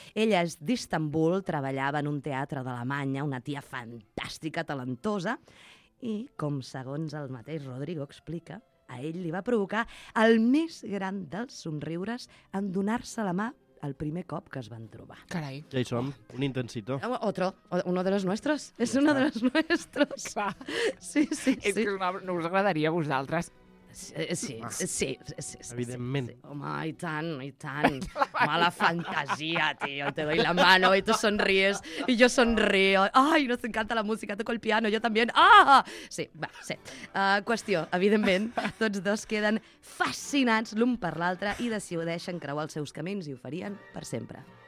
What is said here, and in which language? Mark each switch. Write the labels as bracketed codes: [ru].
[ca] Ella és d'Istanbul, treballava en un teatre d'Alemanya, una tia fantàstica, talentosa, i com segons el mateix Rodrigo explica, a ell li va provocar el més gran dels somriures en donar-se la mà el primer cop que es van trobar. Carai. Ja hi som, un intensito. [es] Otro, uno de los nuestros. [ca] És [es] uno de los nuestros. [ca] Clar. Sí, sí, és sí. És que no us agradaria a vosaltres. Sí, sí, sí, sí. Evidentment. Sí, sí. Home, i tant, i tant. Mala fantasia, tío. [es] Te doy la mano y tú sonríes y yo sonrío. Ay, nos encanta la música, toco el piano, yo también. [ca] Ah! Sí, va, sí. Qüestió, evidentment, tots dos queden fascinats l'un per l'altre i decideixen creuar els seus camins i ho farien per sempre.